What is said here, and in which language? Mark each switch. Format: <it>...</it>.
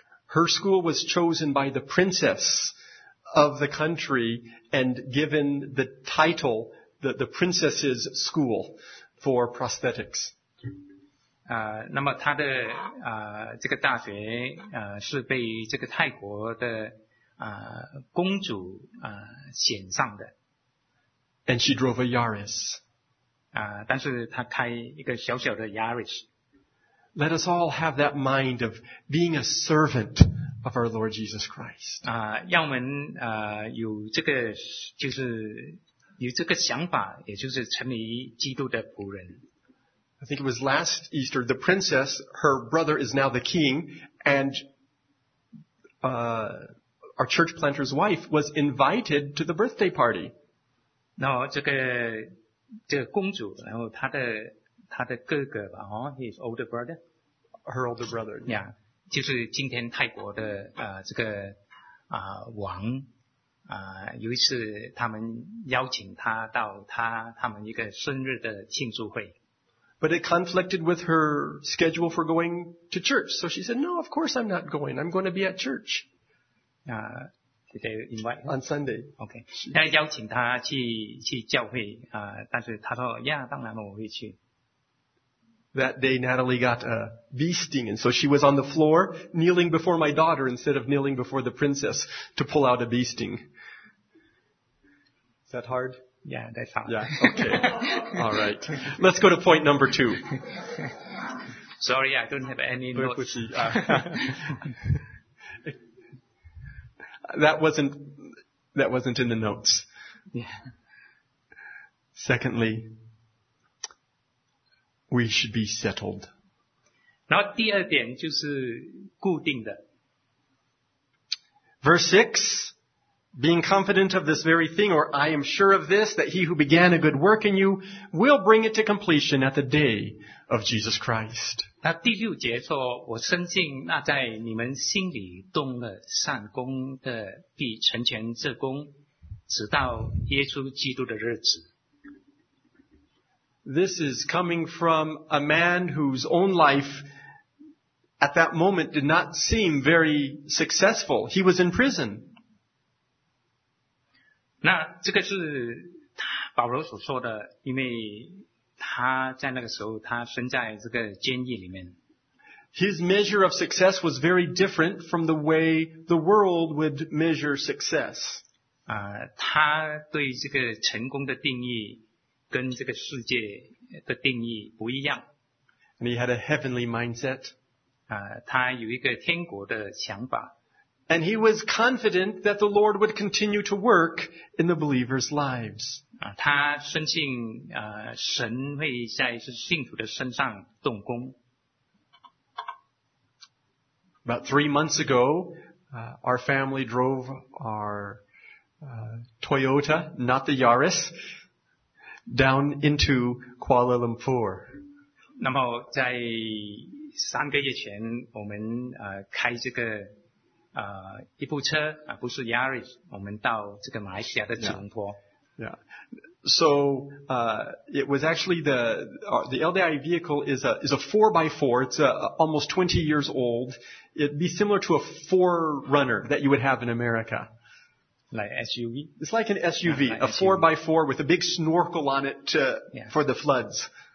<en>Her school was chosen by the princess of the country and given the title, the princess's school for prosthetics.</en> <zh>那么他的这个大学是被这个泰国的公主选上的。</zh> <en>And she drove a Yaris.</en> <zh>但是他开一个小小的 Yaris.</zh> <en>Let us all have that mind of being a servant of our Lord Jesus Christ.</en> <zh>让我们有这个就是有这个想法，也就是成为基督的仆人。</zh> <en>I think it was last Easter, the princess, her brother is now the king, and our church planter's wife was invited to the birthday party.</en> <zh>那这个这个公主，然后她的哥哥吧，哦 ，</zh> <en>his older brother， her older brother，</en> <zh>yeah， 就是今天泰国的这个王有一次他们邀请他到他们一个生日的庆祝会</zh> <en>，but it conflicted with her schedule for going to church， so she said， no， of course I'm not going， I'm going to be at church， Did they invite on Sunday. Okay.</en> <zh>他邀请他去教会但是他说呀当然我会去。</zh> <en>That day Natalie got a bee sting, and so she was on the floor kneeling before my daughter instead of kneeling before the princess to pull out a bee sting. Is that hard? Yeah, that's hard. Yeah, okay. All right. Let's go to point number two. Sorry, I don't have any notes. That wasn't in the notes. Yeah. Secondly, we should be settled.</en> <zh>然后第二点就是固定的。</zh> <en>Verse 6, being confident of this very thing, or I am sure of this, that he who began a good work in you will bring it to completion at the day of Jesus Christ.</en> <zh>那第六节说，我深信那在你们心里动了善功的，必成全这功，直到耶稣基督的日子。</zh> <en>This is coming from a man whose own life at that moment did not seem very successful. He was in prison.</en> <zh>那这个是保罗所说的，因为他在那个时候他身在这个监狱里面。</zh> <en>His measure of success was very different from the way the world would measure success.</en> <zh>他对这个成功的定义跟这个世界的定义不一样。</zh> <en>And he had a heavenly mindset.</en> <zh>他有一个天国的想法。</zh> <en>And he was confident that the Lord would continue to work in the believers' lives.</en> <zh>他深信神会在信徒的身上动工。</zh> <en>About 3 months ago, our family drove our Toyota, not the Yaris, down into Kuala Lumpur.</en> <zh>那么在三个月前，我们开这个一部车不是 Yaris， 我们到这个马来西亚的吉隆坡。</zh> <en>Yeah. So, it was actually the LDI vehicle is a 4x4. It's almost 20 years old. It'd be similar to a 4Runner that you would have in America. Like SUV? It's like an SUV, like a 4x4 with a big snorkel on it for the floods.</en>